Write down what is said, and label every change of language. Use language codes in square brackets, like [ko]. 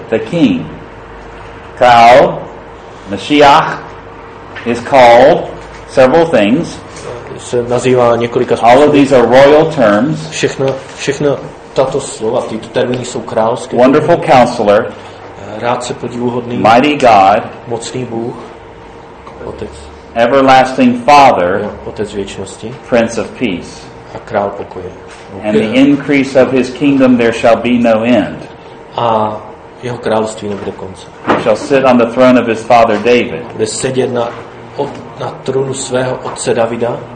[en] the King, král, Mashiach is called several things. [cs] Se nazývá několika způsobů. [en] All of these are royal terms. [cs] Všechno tato slova, tyto termíny jsou královské. [en] Wonderful Counselor, [cs] Rádce podivuhodný, [en] Mighty God, [cs] mocný Bůh, Otec, [en] Everlasting Father, [cs] Otec věčnosti, [en] Prince of Peace. [cs] A král pokoje. [en] Okay. And the increase of his kingdom there shall be no end. [cs] A jeho království nebude konce. [en] He shall sit on the throne of his father David. [cs] Bude sedět na trůnu svého otce Davida.